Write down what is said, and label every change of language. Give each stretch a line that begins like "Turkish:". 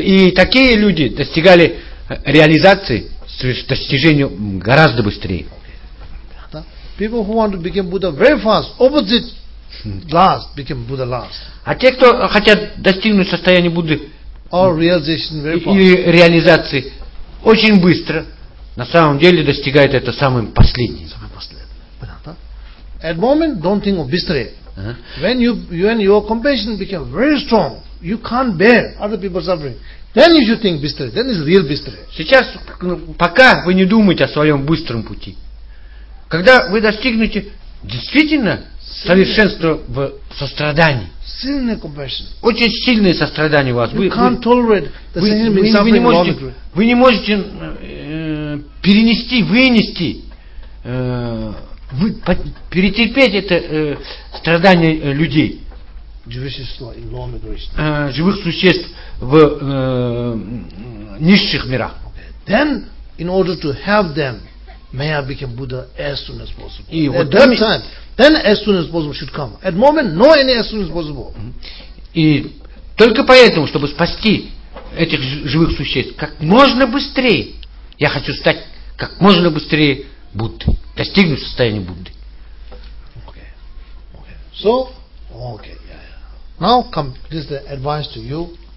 Russian: И такие люди достигали реализации с достижением гораздо быстрее.
English: People who want to become Buddha very fast, opposite last, became Buddha last.
Russian: А те, кто хотят достигнуть состояния Будды и реализации очень быстро, на самом деле достигают это самым последним.
English: At moment, don't think of bistre. When your compassion became very strong, you can't bear other people suffering. Then you should think bistre. Then it's real bistre.
Russian: Сейчас, пока вы не думаете о своем быстром пути. Когда вы достигнете действительно совершенства в сострадании, очень сильное сострадание у вас, вы не можете перенести, вынести, перетерпеть это страдание людей, живых существ в низших мирах.
English: Then, in order to help them, may I become Buddha as soon as possible.
Russian: И
English: at that time, then as soon as possible should come. At moment, no any as soon as possible.
Russian: И только поэтому, чтобы спасти этих живых существ как можно быстрее, я хочу стать как можно быстрее Буддой, достигнуть состояния Будды.
English: Okay. Okay. So, okay. Yeah. Now come, this is the advice to you.